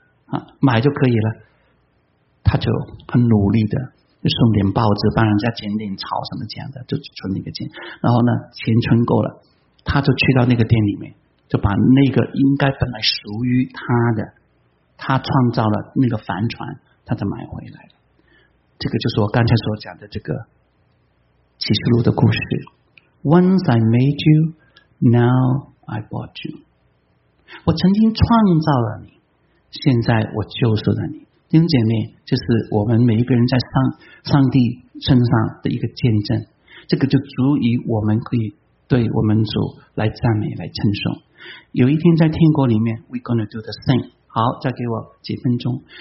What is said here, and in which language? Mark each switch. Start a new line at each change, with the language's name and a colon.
Chinese: 啊，买就可以了。他就很努力的就送点报纸，帮人家捡点草什么这样的，就存那个钱。然后呢，钱存够了，他就去到那个店里面，就把那个应该本来属于他的，他创造了那个帆船，他就买回来了。这个就是我刚才所讲的这个启示录的故事。
English: Once I made you, now I bought you。
Chinese: 我曾经创造了你，现在我救赎了你。弟兄姐妹，就是我们每一个人在上帝身上的一个见证，这个就足以我们可以对我们主来赞美来称颂。有一天在天国里面
English: We're gonna do the same。
Chinese: 好，再给我几分钟。